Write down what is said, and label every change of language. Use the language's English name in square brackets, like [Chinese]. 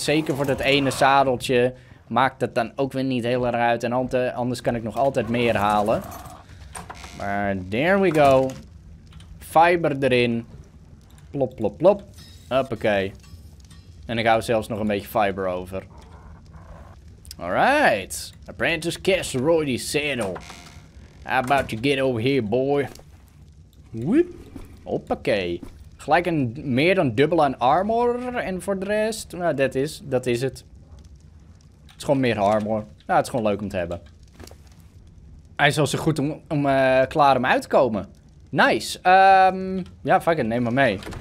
[Dutch] Zeker voor dat ene zadeltje. Maakt dat dan ook weer niet heel erg uit. En anders kan ik nog altijd meer halen. Maar [English] there we go. [Dutch] Fiber erin. Plop, plop, plop. Hoppakee. En ik hou zelfs nog een beetje fiber over. Alright. Apprentice Cass Roy die zadel. [English] How about you get over here, boy? [Dutch] Whoop. Hoppakee. Gelijk een meer dan dubbel aan armor. En voor de rest... Nou, dat is het. Het is gewoon meer armor. Nou, het is gewoon leuk om te hebben. Hij is wel zo goed om klaar om uit te komen. Nice. Ja, fuck it. Neem maar mee.